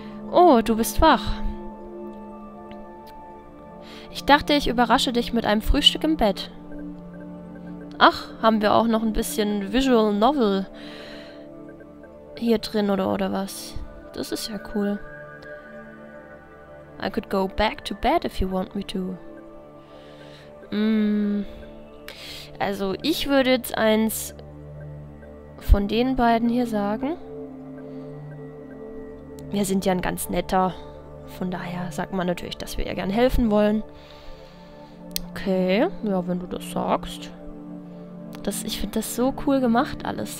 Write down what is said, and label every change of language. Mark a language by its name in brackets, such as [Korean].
[German] Oh, du bist wach. Ich dachte, ich überrasche dich mit einem Frühstück im Bett. Ach, haben wir auch noch ein bisschen Visual Novel hier drin oder was? Das ist ja cool. [English] I could go back to bed if you want me to. [German] Also ich würde jetzt eins von den beiden hier sagen. Wir sind ja ein ganz netter. Von daher sagt man natürlich, dass wir ihr gern helfen wollen. Okay, ja, wenn du das sagst. Ich finde das so cool gemacht alles.